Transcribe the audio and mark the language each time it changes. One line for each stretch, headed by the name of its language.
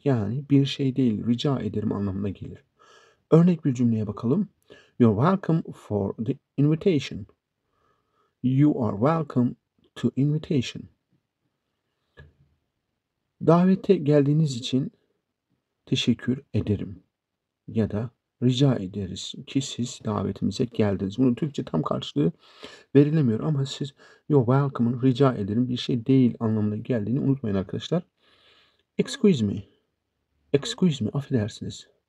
Turkish: Yani bir şey değil, rica ederim anlamına gelir. Örnek bir cümleye bakalım.
English: You're welcome for the invitation. You are welcome to invitation.
Turkish: Davete geldiğiniz için teşekkür ederim ya da rica ederiz ki siz davetimize geldiniz. Bunun Türkçe tam karşılığı verilemiyor ama siz
English: you're welcome'ın
Turkish: rica ederim bir şey değil anlamına geldiğini unutmayın arkadaşlar.
English: Excuse me. Excuse me.
Turkish: Affedersiniz.